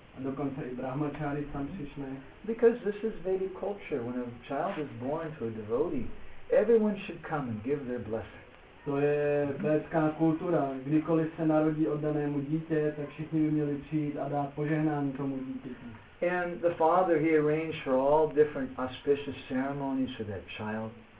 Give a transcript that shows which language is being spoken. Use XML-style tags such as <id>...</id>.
<cs>A dokonce i brahmacháři tam přišli.</cs> <en>Because this is Vedic culture. When a child is born to a devotee, everyone should come and give their blessing.</en> <cs>To je vedská kultura. Kdykoliv se narodí oddanému dítě, tak všichni by měli přijít a dát požehnání tomu dítěti.</cs> <en>And the father, he arranged for all different auspicious ceremonies for that child.</en>